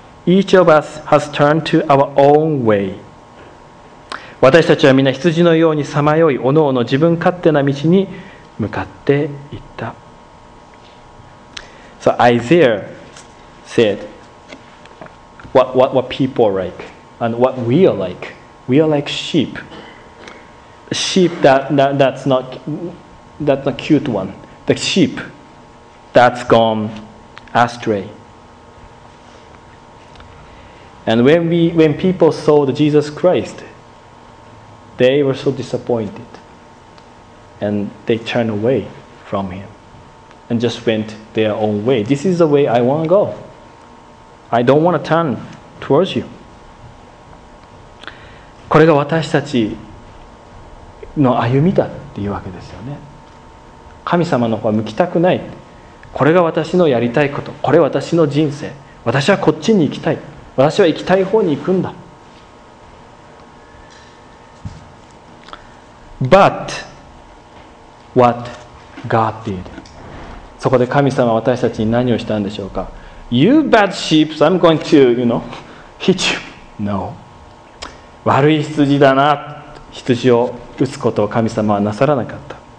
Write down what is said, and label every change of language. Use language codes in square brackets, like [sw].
[en] Each of us has turned to our own way. [ja] 私たちはみんな羊のようにさまよい、おのおの自分勝手な道に向かっていった。 [en] So Isaiah said, what people are like and what we are like. We are like sheep. Sheep that's not cute one. The sheep. That's gone astray. And when people saw the Jesus Christ, they were so disappointed. And they turned away from him and just went their own way. This is the way I want to go. I don't want to turn towards you. [ja] これが私たちの歩みだっていうわけですよね。神様の方は向きたくない。これが私のやりたいこと、これ私の人生、私はこっちに行きたい、私は行きたい方に行くんだ。 [en] But what God did、 [ja] そこで神様は私たちに何をしたんでしょうか。 [en] You bad sheep, I'm going to, you know, hit you. No. [ja] 悪い羊だな、羊を打つことを神様はなさらなかった。